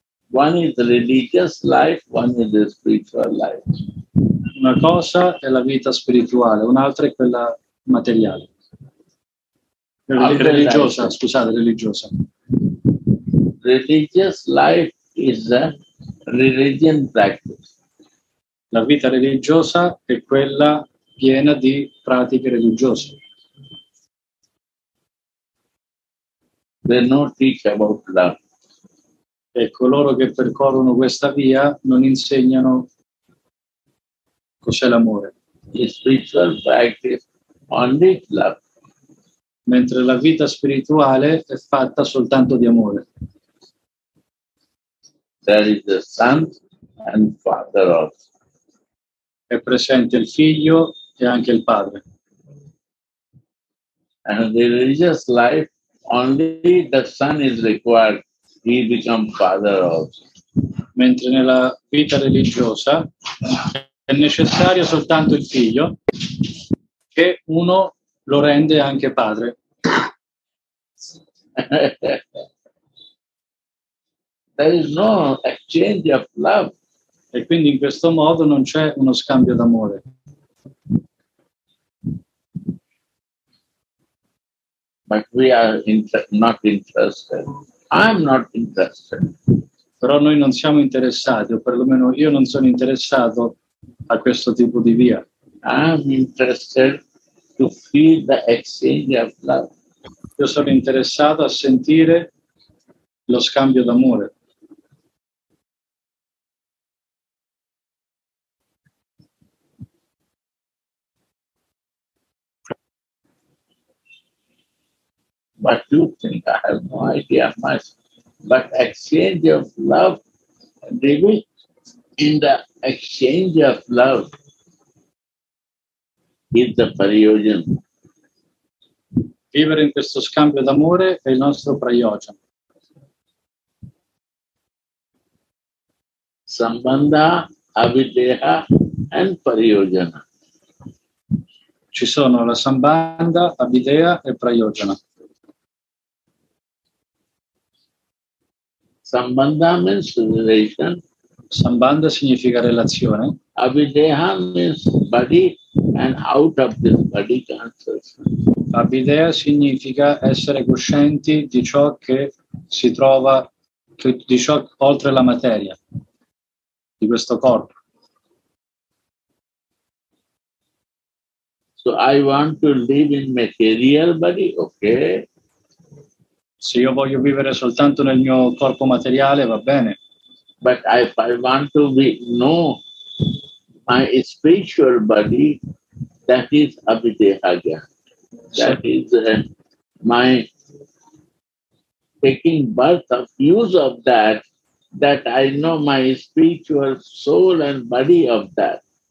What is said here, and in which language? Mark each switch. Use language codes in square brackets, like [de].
[en] One is the religious life, one is the spiritual life. [it] Una cosa è la vita spirituale, un'altra è quella materiale. Religiosa, life. Scusate, religiosa. [en] Religious life is a religion practice. [it] La vita religiosa è quella piena di pratiche religiose. [en] They don't teach about love. [it] E coloro che percorrono questa via non insegnano cos'è l'amore. [en] The spiritual practice only love. [it] Mentre la vita spirituale è fatta soltanto di amore. [en] There is the son and father also. [it] È presente il figlio e anche il padre. [en] And the religious life, only the son is required, he become father also. [it] Mentre nella vita religiosa è necessario soltanto il figlio, che uno lo rende anche padre. [en] There is no exchange of love. [it] E quindi in questo modo non c'è uno scambio d'amore. [en] But we are not interested. I'm not interested. [it] Però noi non siamo interessati, o perlomeno io non sono interessato a questo tipo di via. [en] I'm interested to feel the exchange of love. [it] Io sono interessato a sentire lo scambio d'amore. [en] But you think I have no idea much. But exchange of love, David, in the exchange of love is the prayojan. [it] Vivere in questo scambio d'amore è il nostro prayojan. [en] Sambandha, avideha and prayojana. [it] Ci sono la sambandha, avideha e prayojana. [en] Sambandha means relation. [it] Sambandha significa relazione. [en] Avideha means body and out of this body consciousness. [it] Avideha significa essere coscienti di ciò che si trova, di ciò oltre la materia, di questo corpo. [en] So I want to live in material body, okay. [it] Se io voglio vivere soltanto nel mio corpo materiale, va bene. [en] But if I want to know my spiritual body, that is avideha again. That is my taking birth of use of that, that I know my spiritual soul and body of that.